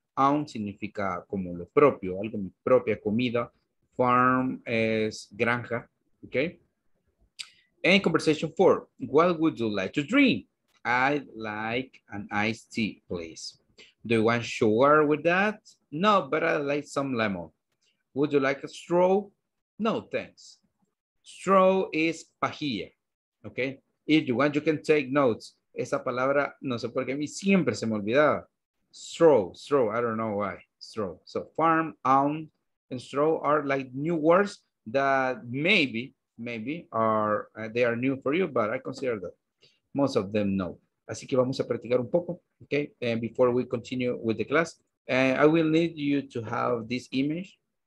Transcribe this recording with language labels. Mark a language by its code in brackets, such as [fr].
[es] Own significa como lo propio, algo mi propia comida. Farm es granja, okay? [en] And conversation four, what would you like to drink? I'd like an iced tea, please. Do you want sugar with that? No, but I'd like some lemon. Would you like a straw? No, thanks. Straw is pajilla, okay? If you want, you can take notes. [es] Esa palabra, no sé por qué, a mí siempre se me olvidaba. [en] Straw, I don't know why, straw. So farm, own, and straw are like new words that maybe they are new for you, but I consider that. most of them know. [es] Así que vamos a practicar un poco, [en] okay? And before we continue with the class, I will need you to have this image.